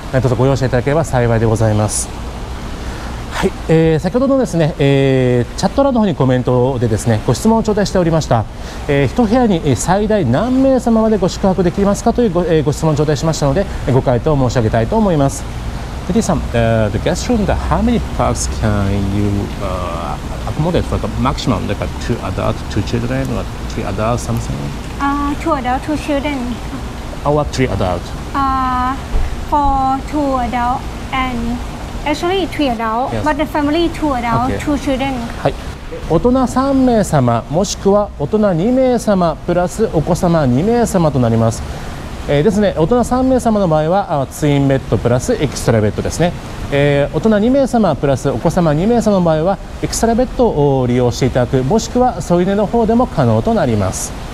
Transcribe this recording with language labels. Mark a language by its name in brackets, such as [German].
[Japanese] どうぞご容赦いただければ幸いでございます。はい、先ほどのですね、チャット欄の方にコメントでですね、ご質問を頂戴しておりました。一部屋に最大何名様までご宿泊できますかという ご質問を頂戴しましたので、ご回答を申し上げたいと思います。 [English] テディさん、the guest room, the how many folks can you accommodate for the maximum? Like two adults, two children, or three adults, something? Two adults, two children. Or what, three adults? For two adults and actually three adults, yes. But the family two adults, okay. Two children. [Japanese] はい。大人3名様、もしくは大人2名様、プラスお子様2名様となります。ですね、大人3名様の場合はツインベッドプラスエクストラベッドですね。大人2名様プラスお子様2名様の場合はエクストラベッドを利用していただく、もしくは添い寝の方でも可能となります。